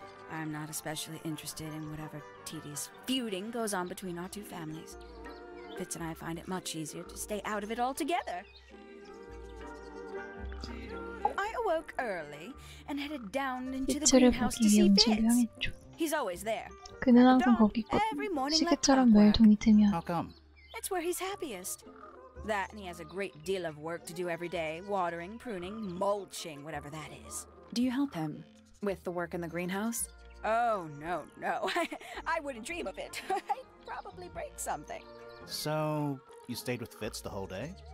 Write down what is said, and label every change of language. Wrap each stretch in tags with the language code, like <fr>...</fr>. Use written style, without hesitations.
<en>I'm not especially interested in whatever tedious feuding goes on between our two families. Fitz and I find it much easier to stay out of it altogether. I awoke early and headed down into the greenhouse to see Fitz. He's always there.</en> <ko>그는 항상 거기 있고 시계처럼 매일 동이 뜨면.</ko> <en>How come? It's where he's happiest. That and he has a great deal of work to do every day, watering, pruning, mulching, whatever that is. Do you help him with the work in the greenhouse? Oh, no, no. I wouldn't dream of it. I'd probably break something. So, you stayed with Fitz the whole day?</en>